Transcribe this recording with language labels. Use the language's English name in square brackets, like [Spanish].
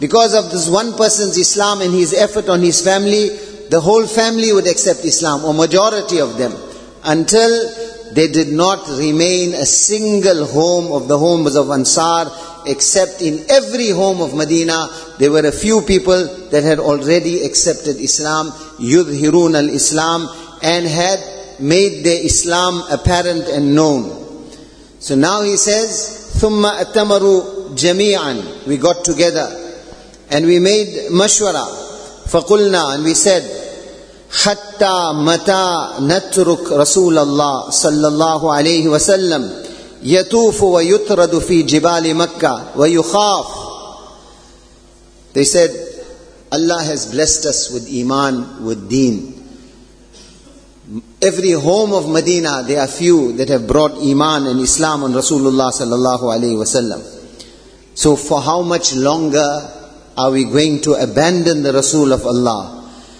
[English] Because of this one person's Islam and his effort on his family, the whole family would accept Islam, or majority of them, until they did not remain a single home of the homes of Ansar, except in every home of Medina, there were a few people that had already accepted Islam, [Arabic] يُظْهِرُونَ الْإِسْلَامِ, [English] and had made their Islam apparent and known. So now he says, [Arabic] ثُمَّ أَتَّمَرُوا جَمِيعًا. [English] We got together and we made mashwara. [Arabic] فَقُلْنَا, [English] and we said, [Arabic] حَتَّى مَتَى نَتْرُكْ رَسُولَ اللَّهِ صَلَّى اللَّهُ عَلَيْهِ وَسَلَّمْ يَتُوفُ وَيُطْرَدُ فِي جِبَالِ مَكَّةِ وَيُخَافُ. [English] They said, Allah has blessed us with iman, with deen. Every home of Medina, there are few that have brought Iman and Islam on Rasulullah sallallahu alaihi wasallam. So for how much longer are we going to abandon the Rasul of Allah?